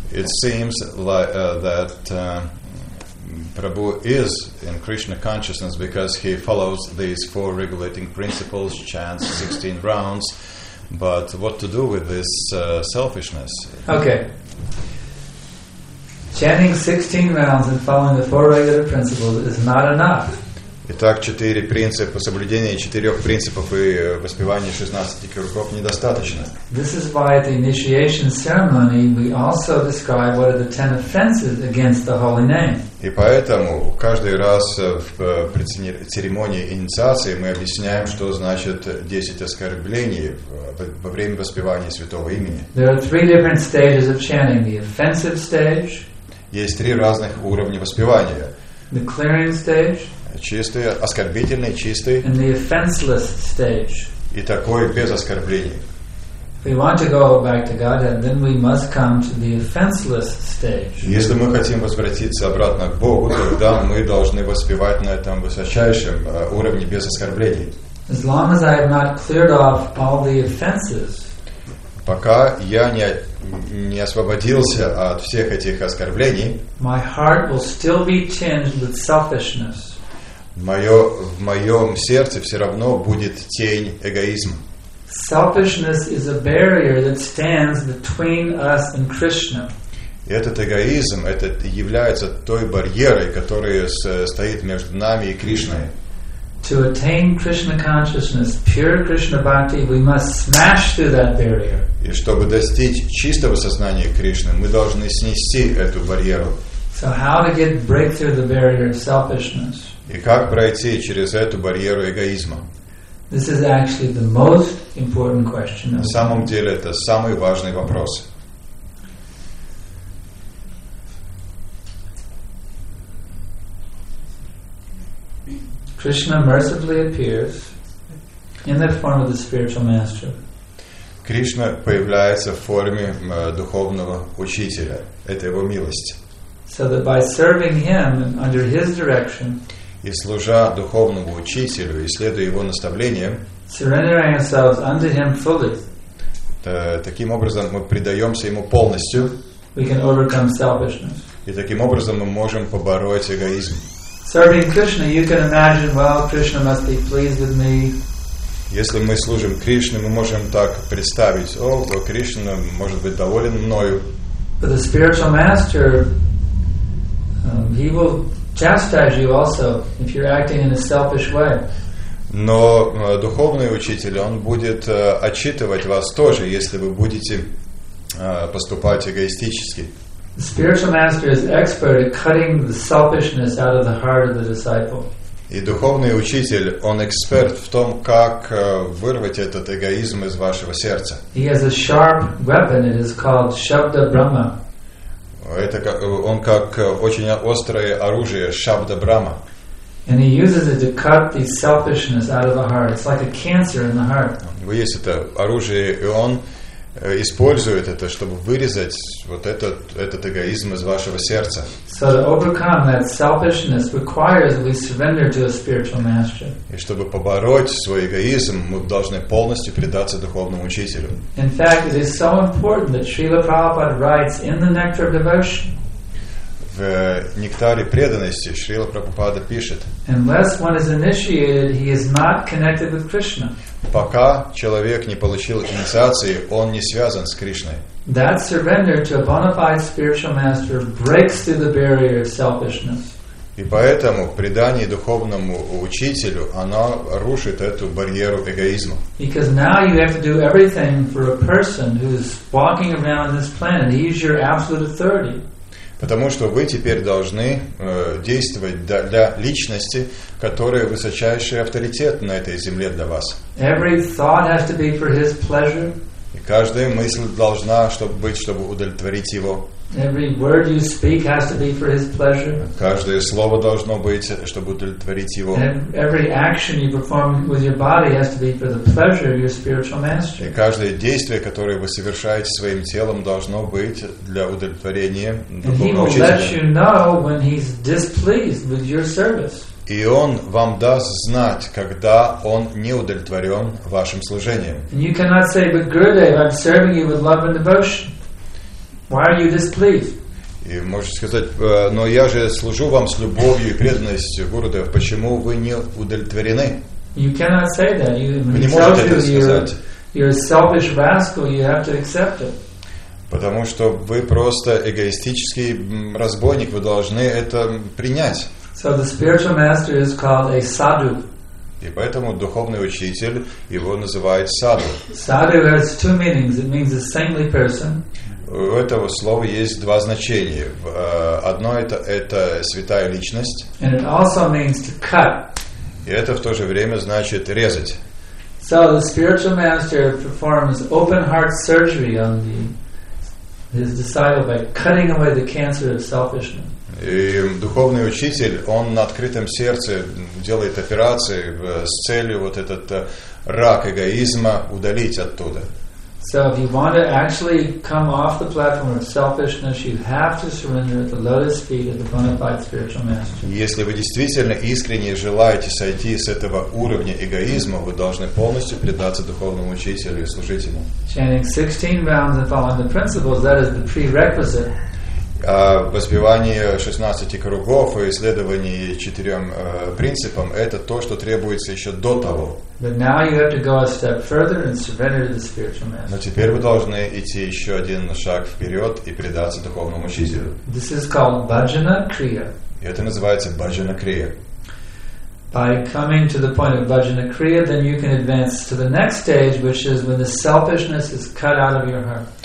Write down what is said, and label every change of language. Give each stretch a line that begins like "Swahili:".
English: It seems like Prabhu is in Krishna consciousness because he follows these four regulating principles, chants 16 rounds, But what to do with this selfishness? Okay. Chanting 16 rounds and following the four regular principles is not enough.
Russian: Итак, четыре принципа соблюдения четырех принципов и воспевания 16 кругов недостаточно.
English: This is why at the initiation ceremony we also describe what are the 10 offenses against the holy name.
Russian: И поэтому каждый раз в церемонии инициации мы объясняем, что значит 10 оскорблений во время воспевания святого имени.
English: There are three different stages of chanting: the offensive stage.
Russian: Есть три разных уровня воспевания.
English: The clearing stage.
Russian: Чистый, оскорбительный, чистый.
English: And the offenseless stage.
Russian: И такой без оскорблений.
English: We want to go back to God, and then we must come to the offenseless stage.
Russian: Если мы хотим возвратиться обратно к Богу, тогда мы должны воспевать на этом высочайшем уровне без оскорблений.
English: As long as I have not cleared off all the offenses.
Russian: Пока я не освободился от всех этих оскорблений.
English: My heart will still be tinged with selfishness.
Russian: В моем сердце все равно будет тень эгоизма.
English: Selfishness is a barrier that stands between us and Krishna.
Russian: Этот эгоизм, этот является той барьерой, которая стоит между нами и Кришной.
English: To attain Krishna consciousness, pure Krishna bhakti, we must smash through that barrier.
Russian: И чтобы достичь чистого сознания Кришны, мы должны снести эту барьеру.
English: So how to get break through the barrier of selfishness?
Russian: И как пройти через эту барьеру эгоизма?
English: This is actually the most important question.
Russian: На самом деле это самый важный вопрос.
English: Krishna mercifully appears in the form of the spiritual master.
Russian: Кришна появляется в форме духовного учителя. Это его милость.
English: So that by serving him under his direction.
Russian: И служа духовному учителю, и следуя его наставлениям,
English: surrendering ourselves unto him fully,
Russian: таким образом мы предаемся ему полностью,
English: we can overcome selfishness.
Russian: И таким образом мы можем побороть эгоизм.
English: Serving Krishna, you can imagine, well, Krishna must be pleased with me.
Russian: Если мы служим Кришне, мы можем так представить: о, то Кришна может быть доволен мною.
English: But the spiritual master, he will chastise you also if you're acting in a selfish way.
Russian: Но духовный учитель, он будет отчитывать вас тоже, если вы будете поступать эгоистически.
English: The spiritual master is expert at cutting the selfishness out of the heart of the disciple.
Russian: И духовный учитель, он эксперт в том, как вырвать этот эгоизм из вашего сердца.
English: He has a sharp weapon. It is called Shabda Brahma.
Russian: Это как, он как очень острое оружие Шабда Брама.
English: And he uses it to cut the selfishness out of the heart. It's like a cancer in the heart.
Russian: У него есть это оружие, и он использует это, чтобы вырезать вот этот эгоизм из вашего сердца.
English: So to overcome that selfishness requires we surrender to a spiritual master.
Russian: И чтобы побороть свой эгоизм, мы должны полностью предаться духовному учителю.
English: In fact, it is so important that Srila Prabhupada writes in the Nectar of Devotion.
Russian: В Нектаре преданности Шрила Прабхупада пишет:
English: unless one is initiated, he is not connected with Krishna.
Russian: Пока человек не получил инициации, он не связан с Кришной.
English: That surrender to a bona fide spiritual master breaks through the barrier of selfishness.
Russian: И поэтому предание духовному учителю, оно рушит эту барьеру эгоизма.
English: Because now you have to do everything for a person who is walking around this planet. He is your absolute authority.
Russian: Потому что вы теперь должны действовать для личности, которая высочайший авторитет на этой земле для вас.
English: Every thought has to be for his pleasure.
Russian: И каждая мысль должна чтобы удовлетворить его.
English: Every word you speak has to be for his pleasure.
Russian: Каждое слово должно быть, чтобы удовлетворить его.
English: Every action you perform with your body has to be for the pleasure of your spiritual master.
Russian: И каждое действие, которое вы совершаете своим телом, должно быть для удовлетворения духовного учителя.
English: And he will let you know when he's displeased with your service.
Russian: И он вам даст знать, когда он не удовлетворен вашим служением.
English: And you cannot say, but Gurudev, I'm serving you with love and devotion. Why are you displeased?
Russian: И можете сказать: но я же служу вам с любовью и преданностью, Гурудев, почему вы не удовлетворены?
English: You cannot say that. You,
Russian: вы не можете это сказать.
English: You're a selfish rascal, you have to accept it.
Russian: Потому что вы просто эгоистический разбойник, вы должны это принять.
English: So the spiritual master is called a sadhu.
Russian: И поэтому духовный учитель его называют саду.
English: Sadhu has two meanings. It means a saintly person.
Russian: У этого слова есть два значения. Одно это святая личность.
English: And it also means to cut.
Russian: И это в то же время значит резать.
English: So the spiritual master performs open heart surgery on his disciple by cutting away the cancer of selfishness.
Russian: И духовный учитель, он на открытом сердце делает операции с целью вот этот рак эгоизма удалить оттуда.
English: So if you want to actually come off the platform of selfishness, you have to surrender at the lotus feet of the bona fide spiritual master.
Russian: Если вы действительно искренне желаете сойти с этого уровня эгоизма, вы должны полностью предаться духовному учителю и служить ему.
English: Chanting 16 rounds and following the principles, that is the prerequisite.
Russian: Воспевание 16 кругов и исследование 4 принципам – это то, что требуется еще до того. Но теперь вы должны идти еще один шаг вперед и предаться духовному учителю.
English: This is called Bhajana Kriya.
Russian: И это называется Bhajana Kriya.
English: By coming to the point of Bhajana Kriya, then you can advance to the next stage, which is when the selfishness is cut out of your heart.